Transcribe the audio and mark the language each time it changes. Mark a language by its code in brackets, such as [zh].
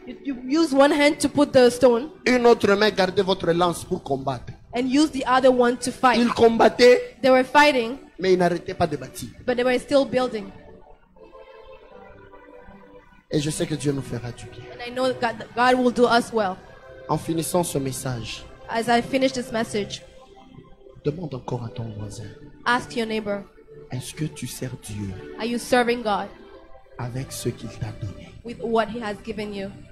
[en] You use one hand to put the stone. [fr] Une autre main, gardez votre lance pour combattre. [en] And use the other one to fight. [fr] Ils combattaient. [en] They were fighting. [fr] Mais ils n'arrêtaient pas de bâtir. [en] But they were still building. [fr] Et je sais que Dieu nous fera du bien. [en] And I know that God will do us well. [fr] En finissant ce message. [en] As I finish this message. [fr] Demande encore à ton voisin. [en] Ask your neighbor. [fr] Est-ce que tu sers Dieu? [en] Are you serving God? [fr] Avec ce qu'il t'a donné. [en] With what he has given you.